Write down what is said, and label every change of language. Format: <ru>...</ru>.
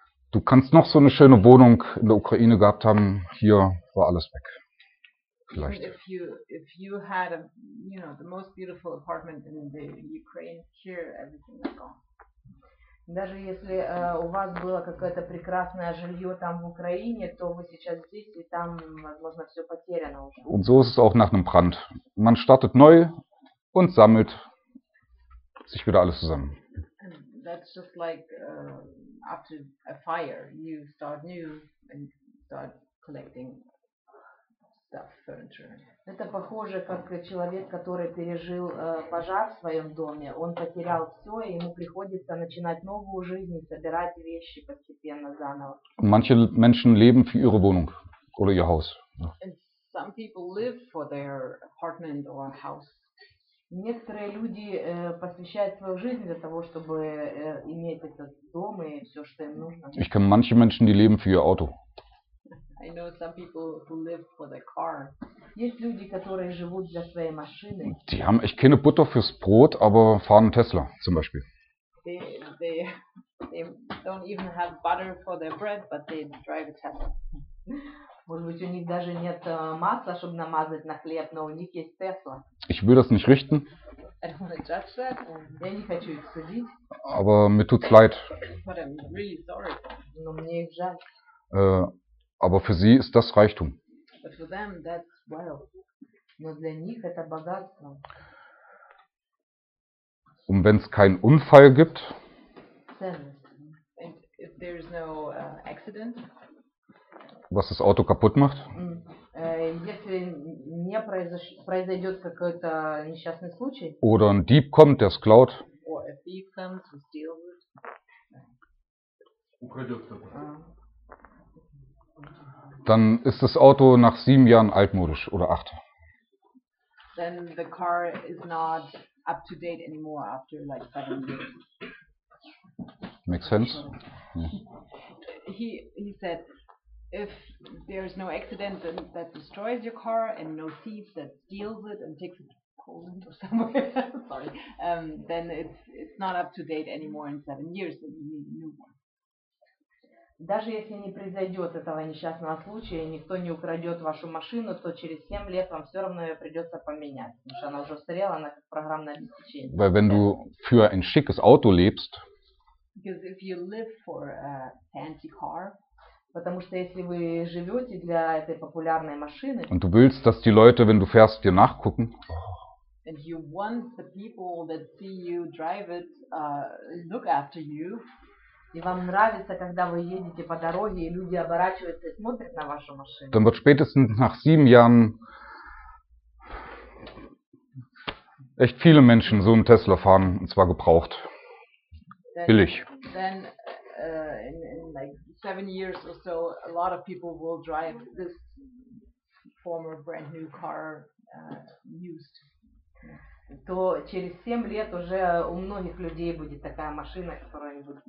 <de>Du kannst noch so eine schöne Wohnung in der Ukraine gehabt haben. Hier war alles weg. Vielleicht.</de> <en>If you had a, you know, the most beautiful apartment in the Ukraine, here everything is gone.</en> <ru>Даже если у вас было какое-то прекрасное жилье там в Украине, то вы сейчас здесь, и там, возможно, все потеряно уже.</ru> <de>Und so ist es auch nach einem Brand. Man startet neu und sammelt sich wieder alles zusammen.</de> <en>That's just like after a fire. You start new and start collecting stuff, furniture.</en> <ru>Это похоже, как человек, который пережил пожар в своем доме. Он потерял все, и ему приходится начинать новую жизнь, собирать вещи постепенно заново.</ru> <de>Manche Menschen leben für ihre Wohnung oder ihr Haus.</de> <en>And some people live for their apartment or house.</en> <ru>Некоторые люди посвящают свою жизнь для того, чтобы иметь этот дом и все, что им нужно.</ru> <de>Ich kenne manche Menschen, die leben für ihr Auto.</de> <en>I know some people who live for their car.</en> <ru>Есть люди, которые живут для своей машины.</ru> <de>Die haben echt keine Butter fürs Brot, aber fahren Tesla zum Beispiel.</de> <en>They don't even have butter for their bread, but they drive a Tesla.</en> <ru>Может быть, у них даже нет масла, чтобы намазать на хлеб, но у них есть Tesla.</ru> <de>Ich will das nicht richten.</de> <en>I don't want to judge that.</en> <ru>Я не хочу их судить.</ru> <de>Aber mir tut's leid.</de> <en>But I'm really sorry.</en> <ru>Но мне их жаль.</ru> <de>Aber für sie ist das Reichtum.</de> <en>But for them, that's wealth.</en> <ru>Но для них это богатство.</ru> <de>Und wenn es keinen Unfall gibt,</de> <en>if there's no accident,</en> <de>was das Auto kaputt macht.</de> <ru>Если не произойдет какой-то несчастный случай.</ru> <de>Oder ein Dieb kommt, der es klaut.</de> <en>Or a thief comes to steal it.</en> <ru>Украдет</ru> <de>Dann ist das Auto nach 7 Jahren altmodisch oder 8.</de> <en>Then the car is not up to date anymore after like 7 years. Makes sense. He said if there is no accident then that destroys your car and no thief that steals it and takes it to Poland or somewhere sorry then it's not up to date anymore in 7 years then you need a new one.</en> <ru>Даже если не произойдет этого несчастного случая и никто не украдет вашу машину, то через 7 лет вам все равно ее придется поменять, потому что она уже устарела, она как программное обеспечение.</ru> <de>Weil wenn du für ein schickes Auto lebst,</de> <en>because if you live for a fancy car,</en> <ru>потому что если вы живете для этой популярной машины,</ru> <de>und du willst, dass die Leute, wenn du fährst, dir nachgucken,</de> <en>and you want the people that see you drive it look after you.</en> <ru>И вам нравится, когда вы едете по дороге и люди оборачиваются и смотрят на вашу машину.</ru> <de>Dann wird spätestens nach 7 Jahren echt viele Menschen so einen Tesla fahren und zwar gebraucht.</de> <en>Then,</en> <de>billig.</de> <en>Then in like 7 years or so a lot of people will drive this former brand new car used.</en> <ru>То через 7 лет уже у многих людей будет такая машина, которая будет.</ru>